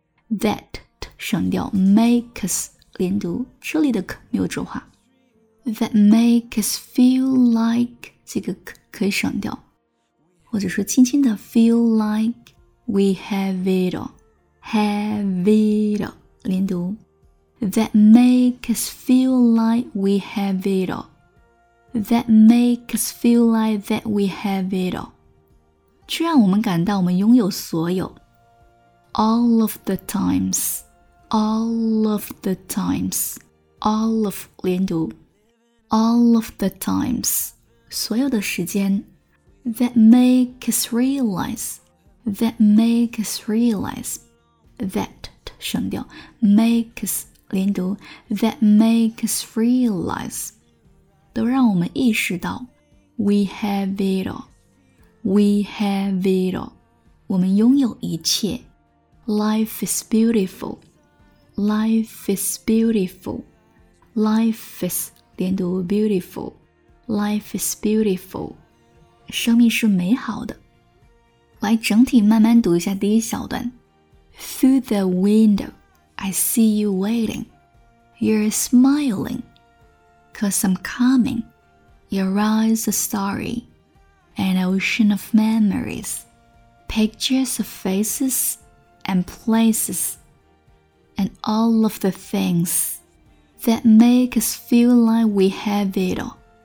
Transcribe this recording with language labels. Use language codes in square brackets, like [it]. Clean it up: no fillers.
[en] That [zh] 省掉 [en] Make us [zh] 连读，这里的 [en] k [zh] 没有浊化 [en] That make us feel like [zh] 这个可以省掉，或者说轻轻的 [en] feel like we have it all, have it all [zh] 连读。 [en] That make us feel like we have it all. that makes feel like that we have it all. [zh] 却让我们感到我们拥有所有。 [en] All of the times, all of the times, all of [zh] 连读。 [en] All of the times, [zh] 所有的时间。 [en] That makes us realize, that makes us realize, that [zh] 省掉 [en] makes us [zh] 连读 [en] that makes us realize, [zh] 都让我们意识到 [en] we have it all, we have it all, [zh] 我们拥有一切 [en] life is beautiful, life is beautiful, life is [zh] 连读 [en] beautiful, life is beautiful. [zh] 生命是美好的。来整体慢慢读一下第一小段。 [en] Through the window, I see you waiting. You're smiling, cause I'm coming. Your eyes are starry, an ocean of memories. Pictures of faces and places, and all of the things that make us feel like we have it all.